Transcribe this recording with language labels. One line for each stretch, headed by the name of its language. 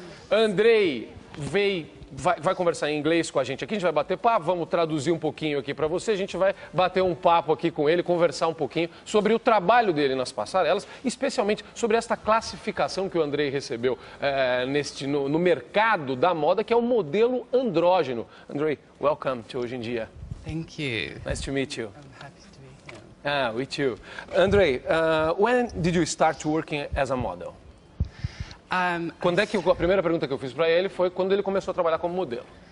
Portuguese: Andrei veio, vai conversar em inglês com a gente aqui. A gente vai bater papo, vamos traduzir um pouquinho aqui para você. A gente vai bater um papo aqui com ele, conversar um pouquinho sobre o trabalho dele nas passarelas, especialmente sobre esta classificação que o Andrei recebeu no mercado da moda, que é o modelo andrógeno.
English: Andrei, welcome to Hoje em Dia. Thank you. Nice to meet you. Ah, we too. Andrei, when did you start working as a model?
Portuguese: Quando é que a primeira pergunta que eu fiz para ele foi quando ele começou a trabalhar como modelo?